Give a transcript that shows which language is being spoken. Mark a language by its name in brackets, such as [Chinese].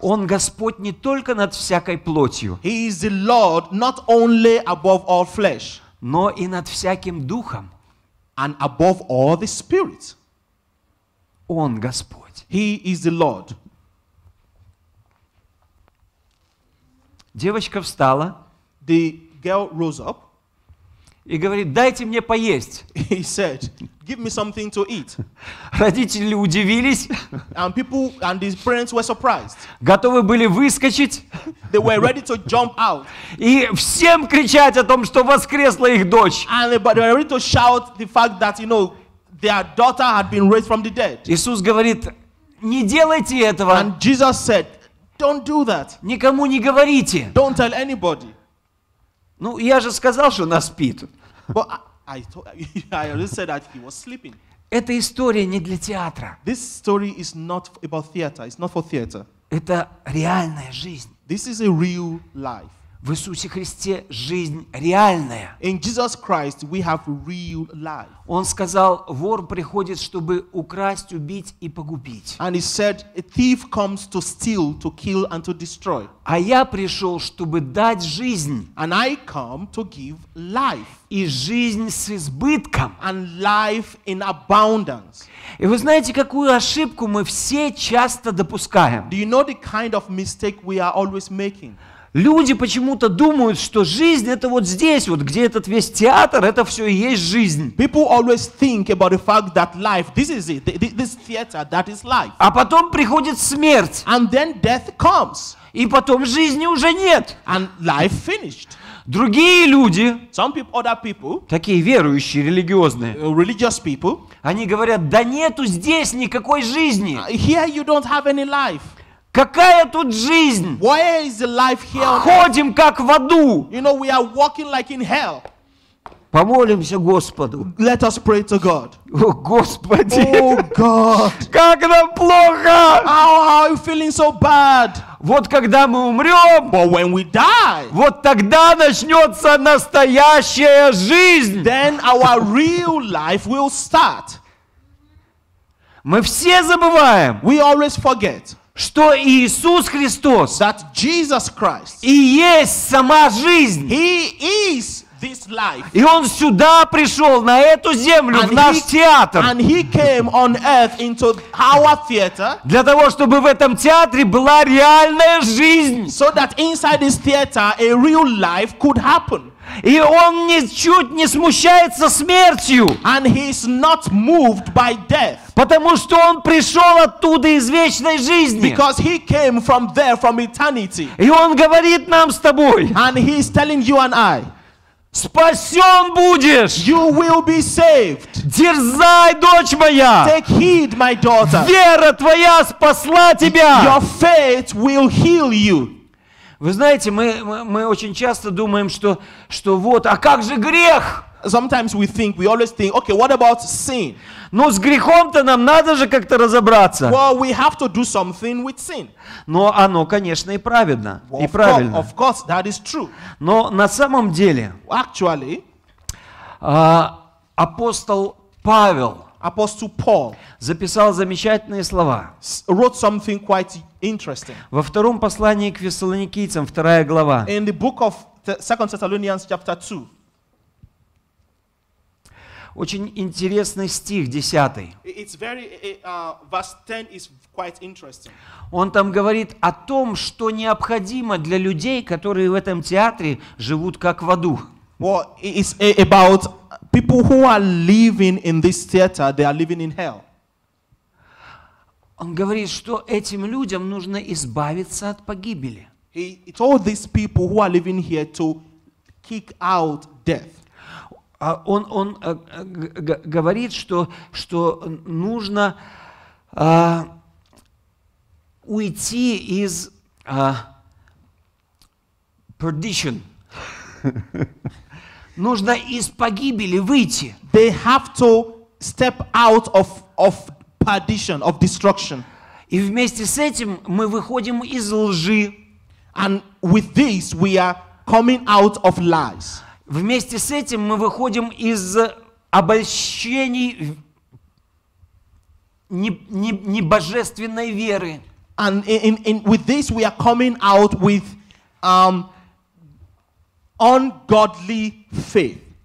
[Russian] Он Господь не только над всякой плотью. [English] He is the Lord not only above all flesh. [Russian] Но и над всяким духом. [English] And above all the spirit. [Russian] Он Господь. [English] He is the Lord. [Russian] Девочка встала. [English] The girl rose up. [Russian] И говорит, дайте мне поесть. [English] He said, give me something to eat. [Russian] Родители удивились. [English] And people and his parents were surprised. [Russian] Готовы были выскочить. [English] They were ready to jump out. [Russian] И всем кричать о том, что воскресла их дочь. [English] And they were ready to shout the fact that, you know, their daughter had been raised from the dead. [Russian] Иисус говорит, не делайте этого. [English] And Jesus said, don't do that. [Russian] Никому не говорите. [English] Don't tell anybody. [Russian] Ну, я же сказал, что она спит. [English] But I already said that he was sleeping. [Russian] Эта история не для театра. [English] This story is not about theater. It's not for theater. [Russian] Это реальная жизнь. [English] This is a real life. [Russian] В Иисусе Христе жизнь реальная. [English] In Jesus Christ we have real life. [Russian] Он сказал, вор приходит, чтобы украсть, убить и погубить. [English] And he said, a thief comes to steal, to kill and to destroy. [Russian] А я пришел, чтобы дать жизнь. [English] And I come to give life. [Russian] И жизнь с избытком. [English] And life in abundance. [Russian] И вы знаете, какую ошибку мы все часто допускаем? [English] Do you know the kind of mistake we are always making? [Russian] Люди почему-то думают, что жизнь это вот здесь, вот где этот весь театр, это все и есть жизнь. [English] People always think about the fact that life, this is it, this theater, that is life. [Russian] А потом приходит смерть. [English] And then death comes. [Russian] И потом жизни уже нет. [English] And life finished. [Russian] Другие люди, [English] some people, other people, [Russian] такие верующие, религиозные, [English] religious people, [Russian] они говорят, да нету здесь никакой жизни. [English] Here you don't have any life. [Russian] Какая тут жизнь? [English] Where is the life here? [Russian] Ходим как в аду. [English] You know, we are walking like in hell. [Russian] Помолимся Господу. [English] Let us pray to God. [Russian] О, Господи. [English] Oh, God. [Russian] Как нам плохо. [English] How are you feeling so bad? [Russian] Вот когда мы умрем. [English] But when we die. [Russian] Вот тогда начнется настоящая жизнь. [English] Then our real life will start. [Russian] Мы все забываем. [English] We always forget. [Russian] Что Иисус Христос, [English] that Jesus Christ, [Russian] и есть сама жизнь. [English] He is this life. [Russian] И Он сюда пришел, на эту землю, [English] and [Russian] в наш театр. [English] And he came on earth into our theater, [Russian] для того, чтобы в этом театре была реальная жизнь. [English] So that inside this theater a real life could happen. [Russian] И Он ничуть не смущается смертью. [English] And he is not moved by death. [Russian] Потому что Он пришел оттуда из вечной жизни. [English] Because he came from there, from eternity. [Russian] И Он говорит нам с тобой. [English] And he is telling you and I. [Russian] Спасен будешь. [English] You will be saved. [Russian] Дерзай, дочь моя. [English] Take heed, my daughter. [Russian] Вера твоя спасла тебя. [English] Your faith will heal you. [Russian] Вы знаете, мы очень часто думаем, что вот, а как же грех? [English] Sometimes we always think, okay, what about sin? [Russian] Ну, с грехом-то нам надо же как-то разобраться. [English] Well, we have to do something with sin. [Russian] Но оно, конечно, и праведно, [English] well, [Russian] и правильно. [English] Of course, that is true. [Russian] Но на самом деле, [English] actually, [Russian] апостол Павел, [English] Apostle Paul, [Russian] записал замечательные слова. [English] Wrote something quite interesting. [Russian] Во втором послании к Фессалоникийцам, вторая глава. [English] In the book of 2 Thessalonians, chapter 2. [Russian] Очень интересный стих, 10. [English] It's very, verse 10 is quite interesting. [Russian] Он там говорит о том, что необходимо для людей, которые в этом театре живут как в аду. [English] Well, it's about people who are living in this theater, they are living in hell. [Russian] Он говорит, что этим людям нужно избавиться от погибели. [English] He told these people who are living here to kick out death. [Russian] Он говорит, что нужно уйти из [English] perdition. [Russian] Нужно из погибели выйти. [English] They have to step out of perdition, of destruction. [Russian] И вместе с этим мы выходим из лжи. [English] And with this we are coming out of lies. [Russian] Вместе с этим мы выходим из обольщений не божественной веры. [English] And in with this we are coming out with ungodly faith.